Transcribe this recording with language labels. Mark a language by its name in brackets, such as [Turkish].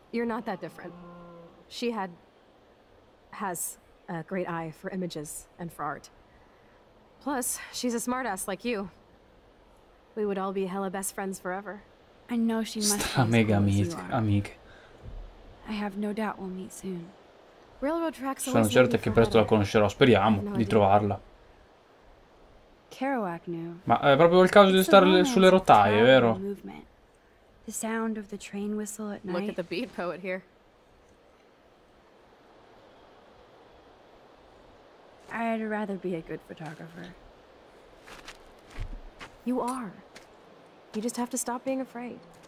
[English] You're not that different. She had... has a great eye for images and for art. Plus, she's a smartass like you. We would all be hella best friends forever. I know she must be as cool as you are. Amiga. I have no doubt we'll meet soon. Railroad tracks always [Italian] sono certa che presto la conoscerò, speriamo di trovarla. [English] Kerouac knew. [Italian] Ma è proprio il caso di stare sulle rotaie, vero? [English] The sound of the train whistle at night. Look at the beat poet here. I'd rather be a good photographer. You are. You just have to stop being afraid.